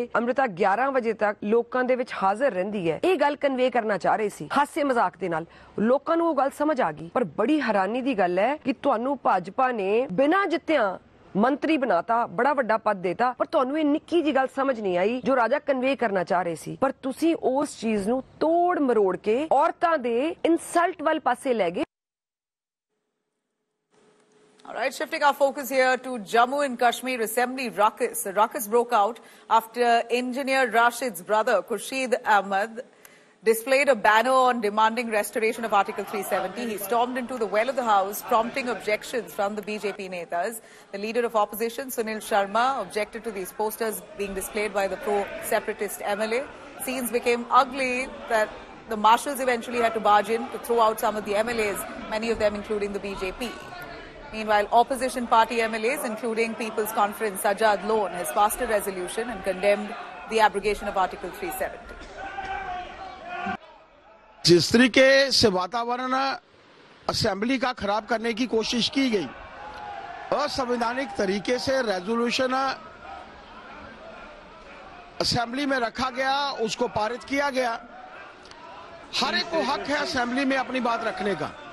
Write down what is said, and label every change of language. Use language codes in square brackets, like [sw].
[pa] ਅੰਮ੍ਰਿਤਾ 11 ਵਜੇ ਤੱਕ ਲੋਕਾਂ ਦੇ ਵਿੱਚ ਹਾਜ਼ਰ ਰਹਿੰਦੀ ਹੈ ਇਹ ਗੱਲ ਕਨਵੇ ਕਰਨਾ ਚਾਹ ਰਹੇ ਸੀ ਹਾਸੇ ਮਜ਼ਾਕ ਦੇ ਨਾਲ ਲੋਕਾਂ ਨੂੰ ਉਹ ਗੱਲ ਸਮਝ ਆ ਗਈ ਪਰ ਬੜੀ ਹੈਰਾਨੀ ਦੀ ਗੱਲ ਹੈ ਕਿ ਤੁਹਾਨੂੰ ਭਾਜਪਾ ਨੇ ਬਿਨਾਂ ਜਿੱਤਿਆਂ ਮੰਤਰੀ ਬਣਾਤਾ ਬੜਾ ਵੱਡਾ ਪਦ ਦੇਤਾ ਪਰ ਤੁਹਾਨੂੰ ਇਹ ਨਿੱਕੀ ਜਿਹੀ ਗੱਲ ਸਮਝ ਨਹੀਂ ਆਈ ਜੋ ਰਾਜਾ ਕਨਵੇ ਕਰਨਾ ਚਾਹ ਰਹੇ ਸੀ ਪਰ ਤੁਸੀਂ ਉਸ ਚੀਜ਼ ਨੂੰ ਤੋੜ ਮਰੋੜ ਕੇ ਔਰਤਾਂ ਦੇ ਇਨਸਲਟ ਵੱਲ ਪਾਸੇ ਲੈ ਗਏ [en] Alright, shifting our focus here to Jammu and Kashmir Assembly Ruckus. The ruckus broke out after engineer Rashid's brother, Khurshid Ahmed, displayed a banner on demanding restoration of Article 370. He stormed into the well of the house, prompting objections from the BJP netas. The leader of opposition, Sunil Sharma, objected to these posters being displayed by the pro-separatist MLA. Scenes became ugly that the marshals eventually had to barge in to throw out some of the MLAs, many of them including the BJP. Meanwhile, opposition party MLAs, including People's Conference Sajjad Lone, has passed a resolution and condemned the abrogation of Article 370. [hi] जिस तरीके से वातावरण assembly का खराब करने की कोशिश की गई असंवैधानिक तरीके से रेजोल्यूशन असेंबली में रखा गया, उसको पारित किया गया। हर एक को हक है असेंबली में अपनी बात रखने का।